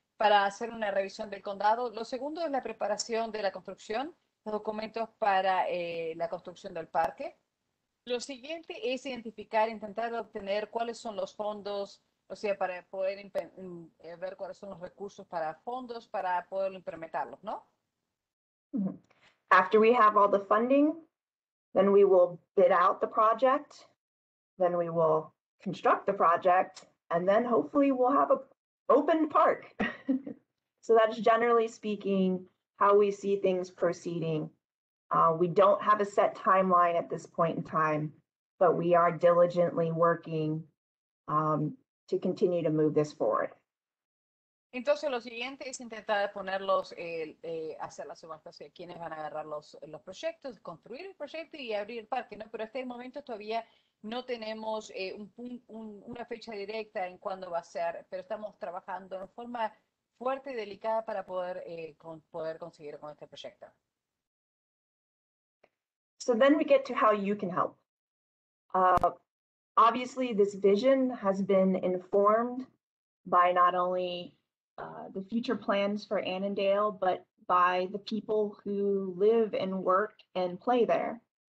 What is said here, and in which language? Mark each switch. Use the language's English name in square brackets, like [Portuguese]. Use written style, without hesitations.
[Spanish] Para hacer una revisión del condado. Lo segundo es la preparación de la construcción, los documentos para la construcción del parque. Lo siguiente es identificar, intentar obtener cuáles son los fondos, o sea, para poder ver cuáles son los recursos para fondos para poder implementarlos, ¿no? [English] After we have all the funding, then we will bid out the project, then we will construct the project, and then hopefully we'll have an open park. So that's generally speaking how we see things proceeding. We don't have a set timeline at this point in time, but we are diligently working to continue to move this forward. [Spanish] Entonces, lo siguiente es intentar ponerlos, hacer las subastas de quienes van a agarrar los proyectos, construir el proyecto y abrir el parque, ¿no? Pero hasta el momento todavía no tenemos una fecha directa en cuándo va a ser, pero estamos trabajando en forma fuerte y delicada para poder, poder conseguir con este proyecto. [English] So then we get to how you can help. Obviously, this vision has been informed by not only the future plans for Annandale, but by the people who live and work and play there.